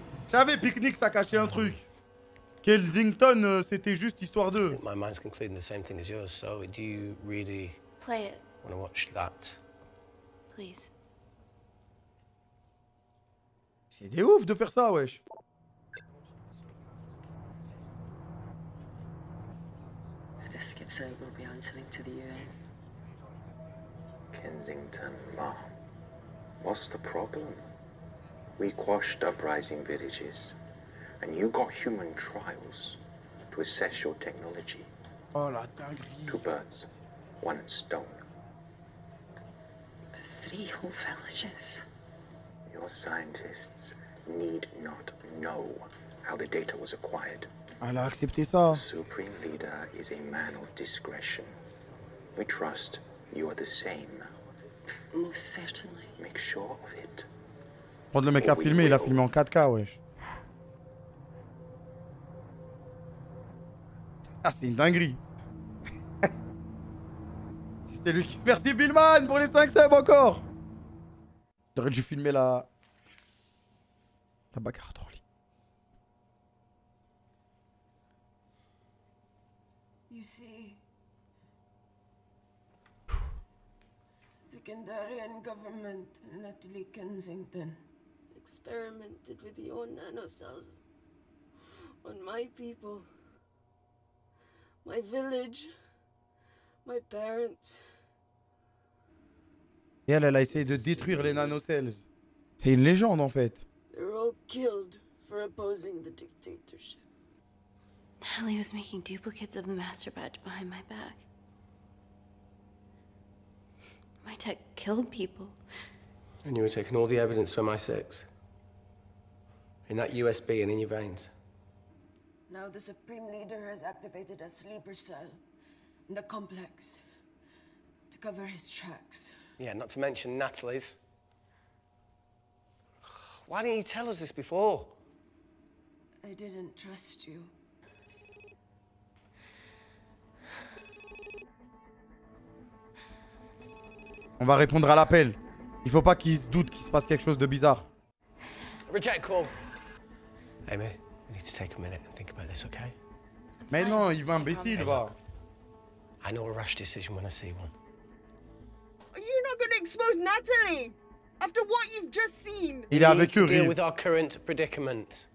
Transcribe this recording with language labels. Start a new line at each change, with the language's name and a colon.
French: J'avais pique-nique, ça cachait un truc. Kensington, c'était juste histoire d'eux.
English: My mind's concluding the same thing as yours, so do you really... Play it. Wanna watch that? Please.
French: C'est des ouf de faire ça, wesh.
English: This gets out, we'll be answering to the UN. Kensington, Ma. What's the problem? We quashed uprising villages. And you got human trials to assess your technology.
French: Oh, la dinguerie.
English: Two birds, one stone. But three whole villages. Your scientists need not know how the data was acquired.
French: Elle a accepté ça.
English: Supreme leader is a man of discretion. We trust you are the same. Most certainly. Make sure of it.
French: Prendre le mec à filmer, il a filmé en 4K, wesh. Ah, c'est une dinguerie. C'était lui qui... Merci Billman pour les 5 subs encore. J'aurais dû filmer la... La bagarre d'Orly.
English: You see, the Kandarian government in Natalie Kensington experimented with your nanocells on my people, my village, my parents.
French: Et elle, elle a essayé de détruire les nanocells. C'est une légende en fait.
English: They're all killed for opposing the dictatorship. Natalie was making duplicates of the master badge behind my back. My tech killed people. And you were taking all the evidence from MI6. In that USB and in your veins. Now the Supreme Leader has activated a sleeper cell in the complex to cover his tracks. Yeah, not to mention Natalie's. Why didn't you tell us this before? I didn't trust you.
French: On va répondre à l'appel. Il faut pas qu'ils se doutent qu'il se passe quelque chose de bizarre.
English: Reject call. Amy, we need to take a minute and think about this, okay?
French: Mais non, il va imbécile, va.
English: I know a rash decision when I see one. Are you not going to expose Natalie? After what you've just seen.
French: Il est avec eux, Reese.
English: Deal with our current predicament.